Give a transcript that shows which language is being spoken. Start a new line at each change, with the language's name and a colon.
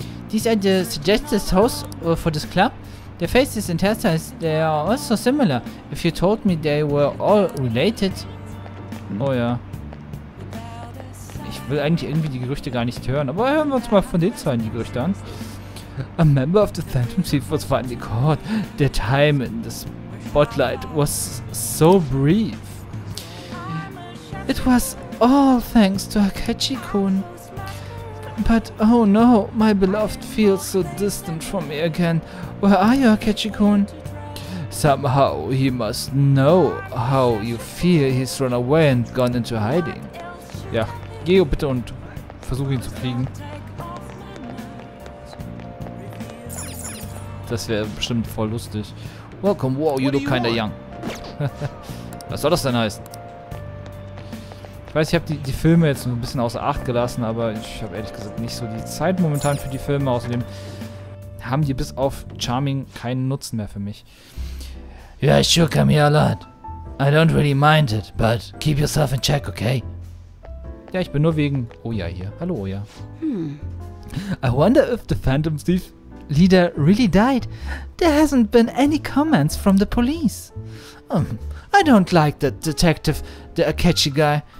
English: These are the suggested house for this club. The faces and hairstyles, they are also similar. If you told me they were all related.
German: Oh ja. Ich will eigentlich irgendwie die Gerüchte gar nicht hören, aber hören wir uns mal von den zwei die Gerüchte an.
English: A member of the Phantom Thief was finally caught. The time in the spotlight was so brief. It was all thanks to Akechi-kun. But oh no, my beloved feels so distant from me again. Where are you, Akechi-kun? Somehow he must know how you fear he's run away and gone into hiding.
German: Ja, geh bitte und versuch ihn zu kriegen. Das wäre bestimmt voll lustig.
English: Welcome, wow, you look kinda young.
German: Was soll das denn heißen? Ich weiß, ich habe die Filme jetzt ein bisschen außer Acht gelassen, aber ich habe ehrlich gesagt nicht so die Zeit momentan für die Filme. Außerdem haben die bis auf Charming keinen Nutzen mehr für mich.
English: Yeah, I sure come here a lot. I don't really mind it, but keep yourself in check, okay?
German: Ja, ich bin nur wegen Oya hier. Hallo Oya.
English: I wonder if the Phantom Thief leader really died. There hasn't been any comments from the police. I don't like the detective, the Akechi guy.